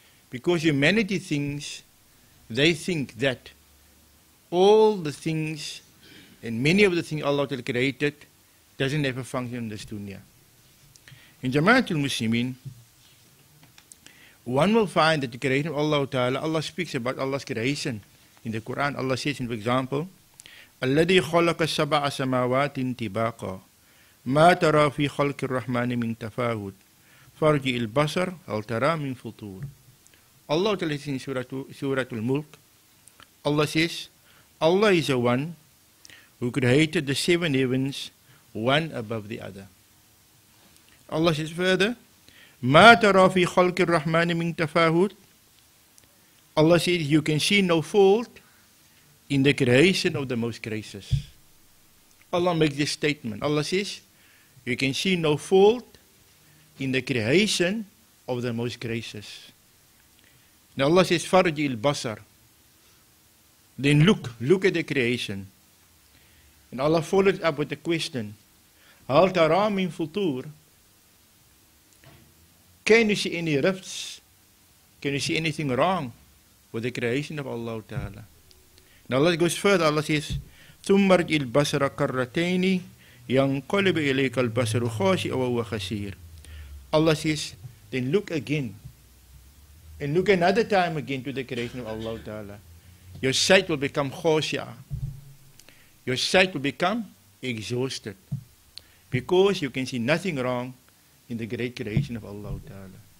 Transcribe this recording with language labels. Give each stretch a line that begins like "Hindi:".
English: Because humanity thinks, they think that all the things and many of the things Allah Ta'ala created doesn't have a function in this dunya. In Jama'atul Muslimin, one will find that the creation of Allah Ta'ala, Allah speaks about Allah's creation. In the Quran, Allah says, for example,
Arabic: الذي خلق سبع سماوات طباقا ما ترى في خلق الرحمن من تفاوت فارجع البصر هل ترى من فطور.
English: Allah Ta'ala says in Surah Al-Mulk, Allah says, Allah is the one who created the seven heavens one above the other. Allah says further,
Arabic: ما ترى في خلق الرحمن من تفاوت.
English: Allah says, you can see no fault in the creation of the most gracious. Allah makes this statement. Allah says, you can see no fault in the creation of the most gracious. Now Allah says,
Arabic: Farji il basar.
English: Then look at the creation. And Allah follows up with the question,
Arabic: Hal tara min futur.
English: Can you see any rifts? Can you see anything wrong with the creation of Allah Ta'ala? Now Allah goes further. Allah says,
Arabic: ثُمَّرْجِ الْبَصَرَ كَرَّتَيْنِ يَنْقَلِبِ إِلَيْكَ الْبَصَرُ خَاسِ وَهُوَ خَسِيرٌ.
English: Allah says, then look again. And look another time again to the creation of Allah Ta'ala. Your sight will become khosia. Your sight will become exhausted. Because you can see nothing wrong in the great creation of Allah Ta'ala.